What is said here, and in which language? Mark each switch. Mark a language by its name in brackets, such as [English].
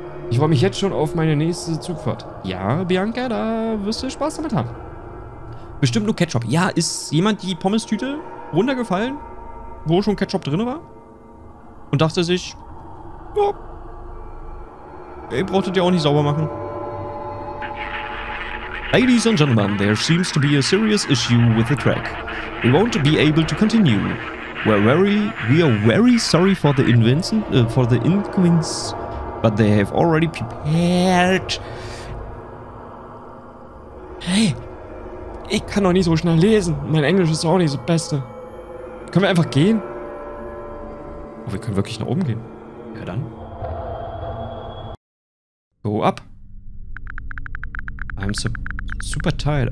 [German] Ich freue mich jetzt schon auf meine nächste Zugfahrt. Ja, Bianca, da wirst du Spaß damit haben. Bestimmt nur Ketchup. Ja, ist jemand die Pommes-Tüte runtergefallen, wo schon Ketchup drin war? Und dachte sich, ja, ihr brauchtet ja auch nicht sauber machen. [English] Ladies and gentlemen, there seems to be a serious issue with the track. We won't be able to continue. We are very sorry for the inconvenience, but they have already prepared. [German] Hey, ich kann doch nicht so schnell lesen. Mein Englisch ist auch nicht so beste. Können wir einfach gehen? Oh, wir können wirklich nach oben gehen. Ja dann. [English] Go up. I'm super tired.